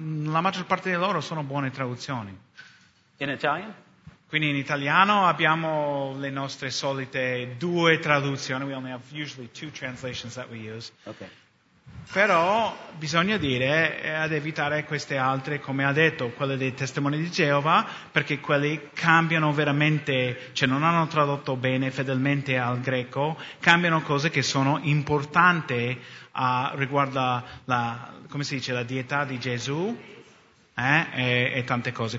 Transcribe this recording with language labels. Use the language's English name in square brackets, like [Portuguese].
[Italian] la maggior parte di loro sono buone traduzioni. [English] In Italian? [Italian] Quindi in italiano abbiamo le nostre solite due traduzioni. [English] We only have usually two translations that we use. Okay. [Italian] Però bisogna dire, ad evitare queste altre, come ha detto, quelle dei Testimoni di Geova, perché quelli cambiano veramente, cioè non hanno tradotto bene, fedelmente al greco, cambiano cose che sono importanti riguardo la, come si dice, la dieta di Gesù, e tante cose.